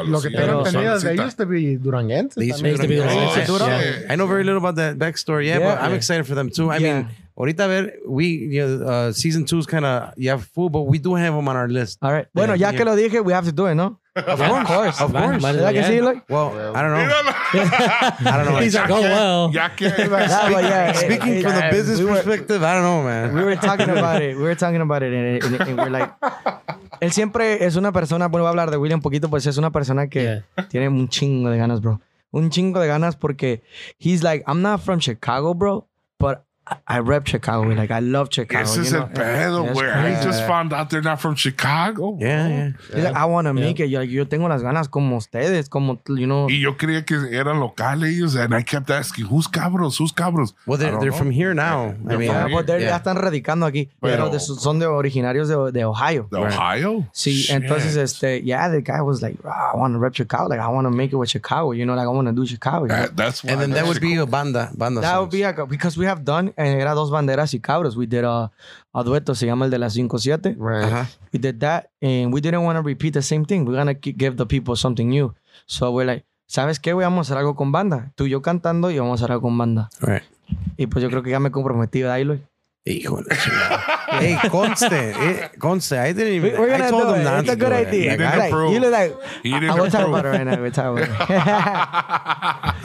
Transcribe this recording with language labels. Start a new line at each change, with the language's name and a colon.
Spanish: Lo que tengo entendido es que ellos te vi Duranguense.
English: They used to be Duranguense. I know very little about that backstory. I'm excited for them too. I mean, ahorita ver, we, you know, season 2 is kind of, full, but we do have them on our list. All right. Bueno, ya que lo dije, we have to do it, no? Of course. Well, I don't know. He's like, oh, well. Speaking from the business perspective, I don't know, man. We were talking about it, and we're like,
Spanish: Él siempre es una persona, bueno, voy a hablar de William un poquito, pues es una persona que tiene un chingo de ganas, bro.
English: Un chingo de ganas porque he's like, I'm not from Chicago, bro, but I rep Chicago. Like, I love Chicago. This is a pedo, where I just found out they're not from Chicago. Yeah. Like, I want to make it. Like, yo tengo las ganas como ustedes, como, you know.
Spanish: Y yo creía que eran locales, and I kept asking, who's cabros?
English: Well, they're from here now.
Spanish: Ya están radicando aquí. Pero son de originarios de Ohio. De Ohio?
English: Sí. Shit. Entonces, the guy was like, oh, I want to rep Chicago. Like, I want to make it with Chicago. You know, like, I want to do Chicago. That's why. And then that would be a banda. That would be a, because we have done.
Spanish: And era dos banderas y cabros. We did a dueto, se llama el de las 5-7.
English: Right. We did that, and we didn't want to repeat the same thing. We're gonna give the people something new. So we're like, ¿sabes qué?
Spanish: We vamos a hacer algo con banda. Tú y yo cantando y vamos a hacer algo con banda.
English: Right.
Spanish: Y pues yo creo que ya me comprometí, Dailo.
English: Híjole. Hey, conste. I didn't even. We're gonna, I told him not. It's a good idea. You look like. We're talking about it right now.